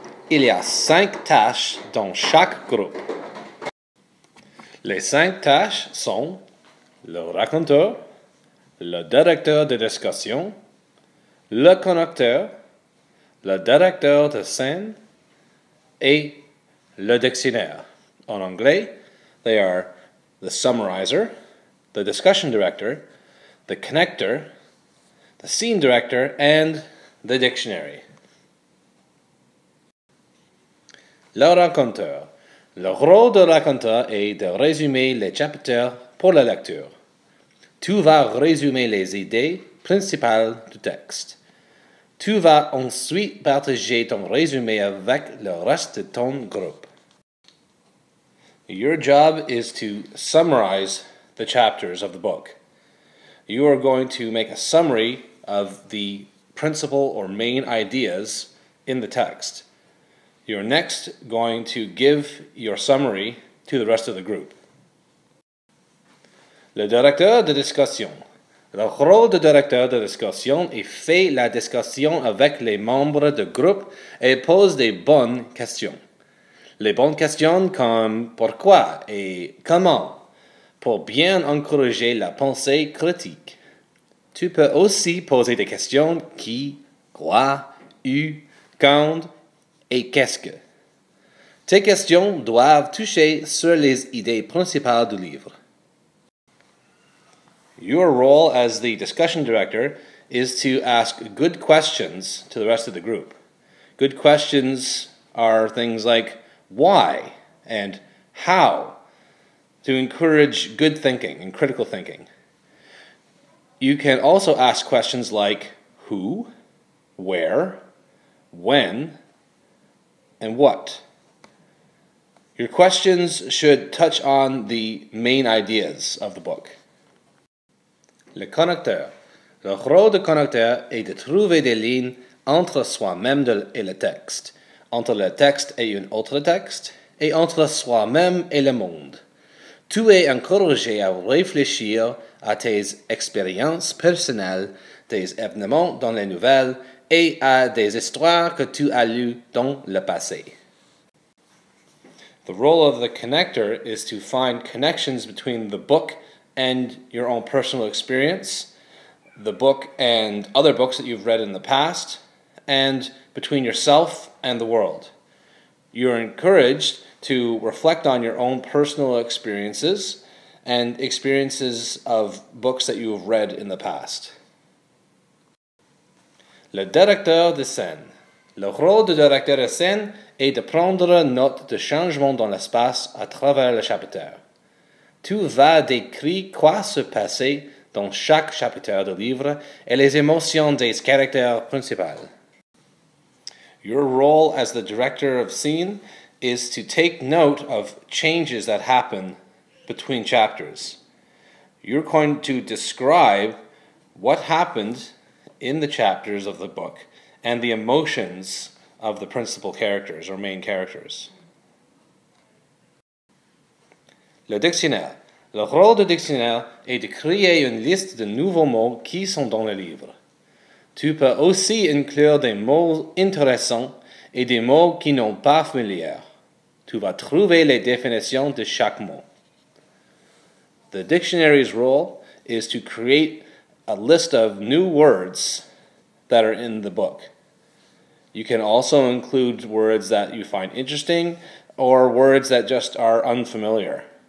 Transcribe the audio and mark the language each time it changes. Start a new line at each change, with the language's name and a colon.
French: Il y a cinq tâches dans chaque groupe. Les cinq tâches sont le raconteur, le directeur de discussion, le connecteur, le directeur de scène et le dictionnaire. En anglais,
English: they are the summarizer, the discussion director, the connector, the scene director and the dictionary.
French: Le raconteur. Le rôle de raconteur est de résumer les chapitres pour la lecture. Tu vas résumer les idées principales du texte. Tu vas ensuite partager ton résumé avec le reste de ton groupe.
English: Your job is to summarize the chapters of the book. You are going to make a summary of the principal or main ideas in the text. You're next going to give your summary to the rest of the group.
French: Le directeur de discussion. Le rôle du directeur de discussion est fait la discussion avec les membres du groupe et pose des bonnes questions. Les bonnes questions comme pourquoi et comment, pour bien encourager la pensée critique. Tu peux aussi poser des questions qui, quoi, où, quand, et qu'est-ce que? Tes questions doivent toucher sur les idées principales du livre.
English: Your role as the discussion director is to ask good questions to the rest of the group. Good questions are things like why and how, to encourage good thinking and critical thinking. You can also ask questions like who, where, when, and what. Your questions should touch on the main ideas of the book.
French: Le connecteur. Le rôle du connecteur est de trouver des liens entre soi-même et le texte, entre le texte et un autre texte, et entre soi-même et le monde. Tu es encouragé à réfléchir à tes expériences personnelles, tes événements dans les nouvelles, et à des histoires que tu as lues dans le passé.
English: The role of the connector is to find connections between the book and your own personal experience, the book and other books that you've read in the past, and between yourself and the world. You're encouraged to reflect on your own personal experiences and experiences of books that you have read in the past.
French: Le directeur de scène. Le rôle du directeur de scène est de prendre note de changements dans l'espace à travers le chapitre. Tu vas décrire quoi se passait dans chaque chapitre du livre et les émotions des caractères principaux.
English: Your role as the director of scene is to take note of changes that happen between chapters. You're going to describe what happened in the chapters of the book and the emotions of the principal characters or main characters.
French: Le dictionnaire. Le rôle du dictionnaire est de créer une liste de nouveaux mots qui sont dans le livre. Tu peux aussi inclure des mots intéressants et des mots qui n'ont pas familières. Tu vas trouver les définitions de chaque mot.
English: The dictionary's role is to create a list of new words that are in the book. You can also include words that you find interesting or words that just are unfamiliar.